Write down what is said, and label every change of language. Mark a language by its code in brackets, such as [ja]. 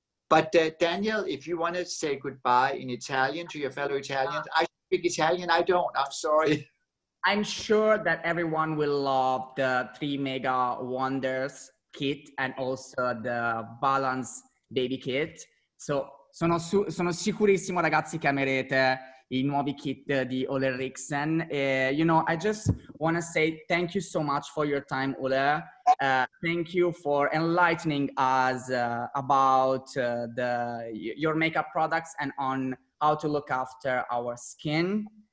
[en] But Daniel, if you want to say goodbye in Italian to your fellow Italians, I speak Italian, I don't, I'm sorry. I'm sure that everyone will love the Three Mega Wonders kit and also the Balance Baby Kit. [it] So sono sicurissimo, ragazzi, che amerete I nuovi kit di Ole Riksen. [en] You know, I just want to say thank you so much for your time, Ole. Thank you for enlightening us about your makeup products and on how to look after our skin.